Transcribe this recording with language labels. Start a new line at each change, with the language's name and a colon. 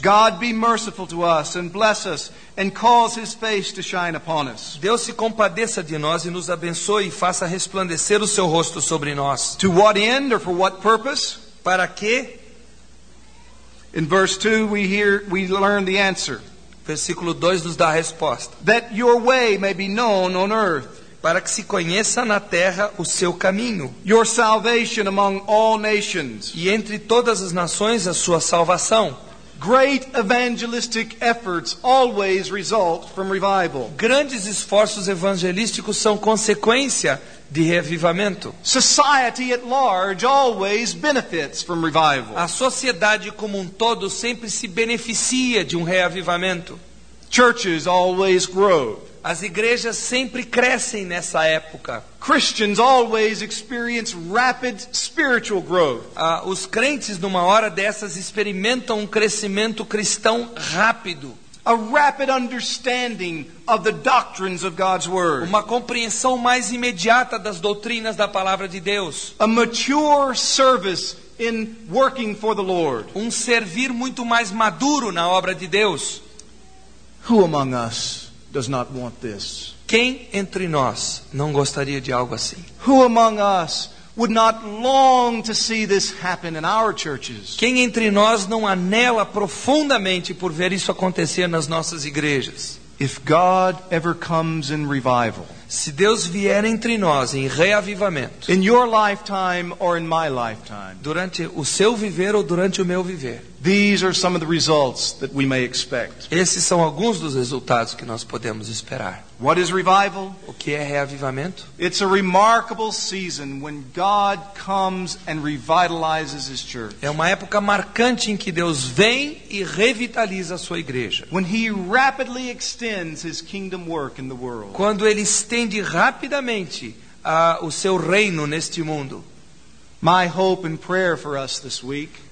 English: God be merciful to us and bless us and cause his face to shine upon us.
Portuguese: Deus se compadeça de nós e nos abençoe e faça resplandecer o seu rosto sobre nós.
English: To what end or for what purpose?
Portuguese: Para quê?
English: In verse 2 we learn the answer.
Portuguese: Versículo 2 nos dá a resposta.
English: That your way may be known on earth.
Portuguese: Para que se conheça na terra o seu caminho.
English: Your salvation among all nations.
Portuguese: E entre todas as nações a sua salvação.
English: Great evangelistic efforts always result from revival.
Portuguese: Grandes esforços evangelísticos são consequência de reavivamento.
English: Society at large always benefits from revival.
Portuguese: A sociedade como um todo sempre se beneficia de um reavivamento.
English: Churches always grow.
Portuguese: As igrejas sempre crescem nessa época.
English: Christians always experience rapid spiritual growth.
Portuguese: Os crentes, numa hora dessas, experimentam um crescimento cristão rápido.
English: A rapid understanding of the doctrines of God's word.
Portuguese: Uma compreensão mais imediata das doutrinas da palavra de Deus.
English: A mature service in working for the Lord.
Portuguese: Um servir muito mais maduro na obra de Deus.
English: Who among us does not want this?
Portuguese: Quem entre nós não gostaria de algo assim?
English: Who among us would not long to see this happen in our churches?
Portuguese: Quem entre nós não anela profundamente por ver isso acontecer nas nossas igrejas?
English: If God ever comes in revival,
Portuguese: se Deus vier entre nós em reavivamento,
English: in your lifetime or in my lifetime,
Portuguese: durante o seu viver ou durante o meu viver,
English: these are some of the results that we may expect.
Portuguese: Esses são alguns dos resultados que nós podemos esperar.
English: What is revival?
Portuguese: O que é reavivamento?
English: It's a remarkable season when God comes and revitalizes his church.
Portuguese: É uma época marcante em que Deus vem e revitaliza a sua igreja.
English: When he rapidly extends his kingdom work in the world.
Portuguese: Quando ele estende rapidamente o seu reino neste mundo.
English: My hope and prayer for us this week.